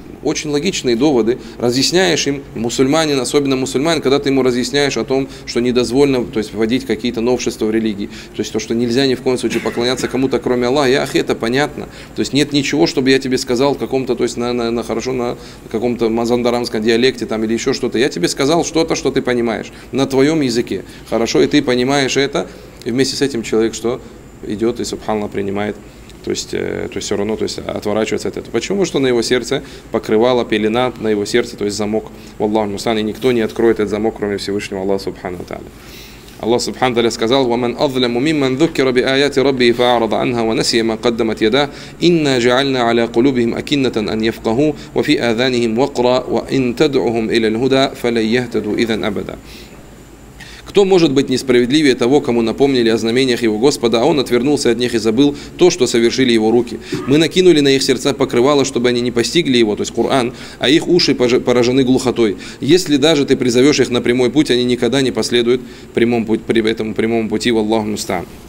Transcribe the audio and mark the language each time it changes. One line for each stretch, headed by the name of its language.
Russian: очень логичные доводы, разъясняешь им, мусульманин, особенно мусульманин, когда ты ему разъясняешь о том, что недозволено, то есть вводить какие-то новшества в религии, то есть то, что нельзя ни в коем случае поклоняться кому-то, кроме Аллаха, ах, это понятно, то есть нет ничего, чтобы я тебе сказал каком-то, то есть на хорошо, на каком-то мазандарамском диалекте там или еще что-то, я тебе сказал что-то, что ты понимаешь, на твоем языке, хорошо, и ты понимаешь это. И вместе с этим человек что? Идет и субханно принимает, то есть все равно, то есть отворачивается от этого. Почему? Что на его сердце покрывало, пелена на его сердце, то есть замок, валлаху мустаан, и никто не откроет этот замок, кроме Всевышнего Аллаха субхана ва тааля. Аллах субхана ва тааля сказал:
Arabic: وَمَنْ أَظْلَمُ مِمَّنْ ذُكِّرَ بِآيَاتِ رَبِّهِ فَأَعْرَضَ عَنْهَا وَنَسِيَ مَا قَدَّمَتْ يَدَاهُ إِنَّا جَعَلْنَا عَلَى قُلُوبِهِمْ أَكِنَّةً أَنْ يَفْقَهُوا وَفِي آذَانِهِمْ وَقْرًا وَإِنْ تَدْعُهُمْ إِلَى الْهُدَى فَلَنْ يَهْتَدُوا إِذًا أَبَدًا.
Russian: Кто может быть несправедливее того, кому напомнили о знамениях его Господа, а он отвернулся от них и забыл то, что совершили его руки. Мы накинули на их сердца покрывало, чтобы они не постигли его, то есть Коран, а их уши поражены глухотой. Если даже ты призовешь их на прямой путь, они никогда не последуют прямому пути, в Аллаху мустаан.